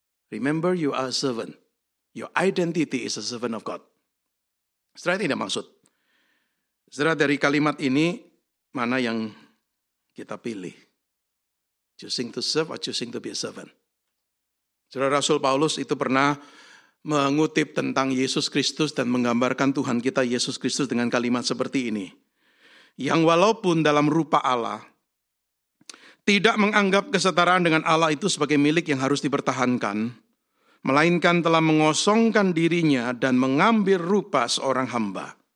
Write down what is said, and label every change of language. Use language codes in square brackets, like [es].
[en] Remember you are a servant. Your identity is a servant of God. [id] Sudah tidak maksud. Sudah dari kalimat ini, mana yang kita pilih? [en] Choosing to serve or choosing to be a servant? [id] Sudah Rasul Paulus itu pernah mengutip tentang Yesus Kristus dan menggambarkan Tuhan kita Yesus Kristus dengan kalimat seperti ini. Yang walaupun dalam rupa Allah, tidak menganggap kesetaraan dengan Allah itu sebagai milik yang harus dipertahankan, melainkan telah mengosongkan dirinya dan mengambil rupa seorang hamba.